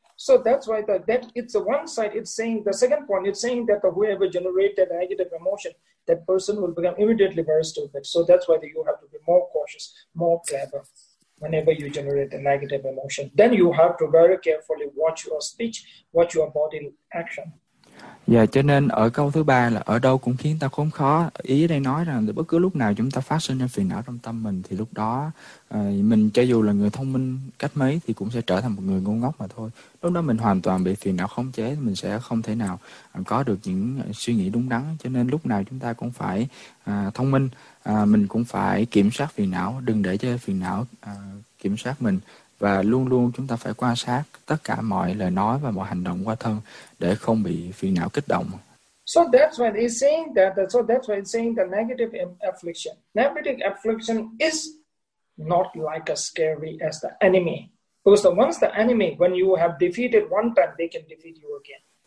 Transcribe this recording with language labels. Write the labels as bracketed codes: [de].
[en] So that's why that it's the one side, it's saying the second point, it's saying that whoever generated a negative emotion, that person will become immediately very stupid. So that's why you have to be more cautious, more clever whenever you generate a negative emotion. Then you have to very carefully watch your speech, watch your body action. [vi] Dạ, cho nên ở câu thứ ba là ở đâu cũng khiến ta khốn khó. Ý đây nói rằng bất cứ lúc nào chúng ta phát sinh ra phiền não trong tâm mình, thì lúc đó mình cho dù là người thông minh cách mấy thì cũng sẽ trở thành một người ngu ngốc mà thôi. Lúc đó mình hoàn toàn bị phiền não khống chế, mình sẽ không thể nào có được những suy nghĩ đúng đắn. Cho nên lúc nào chúng ta cũng phải thông minh, mình cũng phải kiểm soát phiền não, đừng để cho phiền não kiểm soát mình. Và luôn luôn chúng ta phải quan sát tất cả mọi lời nói và mọi hành động qua thân để không bị phiền não kích động. [en] So that's why he's saying that. So that's why he's saying the negative affliction. Negative affliction is not like as scary as the enemy. Because once the enemy, when you have defeated one time, they can defeat you again.